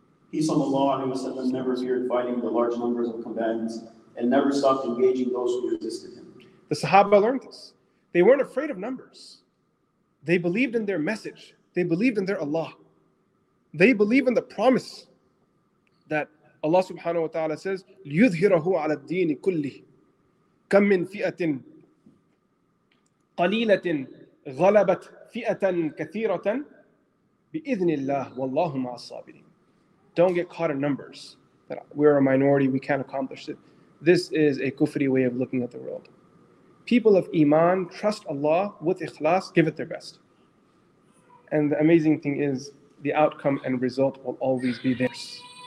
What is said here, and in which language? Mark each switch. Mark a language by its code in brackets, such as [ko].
[en] Peace on Allah, Alayhi wa sallam, never feared fighting the large numbers of combatants and never stopped engaging those who resisted him. The Sahaba learned this. They weren't afraid of numbers. They believed in their message. They believed in their Allah. They believe in the promise that Allah subhanahu wa ta'ala says, [ar] لِيُذْهِرَهُ عَلَى الدِّينِ كُلِّهِ كَمْ مِنْ فِئَةٍ قَلِيلَةٍ غَلَبَتْ فِئَةً كَثِيرَةً بِإِذْنِ اللَّهِ وَاللَّهُ مَعَ الصَّابِرِينَ. [en] Don't get caught in numbers. That we're a minority, we can't accomplish it. This is a kufri way of looking at the world. People of iman, trust Allah with ikhlas, give it their best. And the amazing thing is, the outcome and result will always be theirs.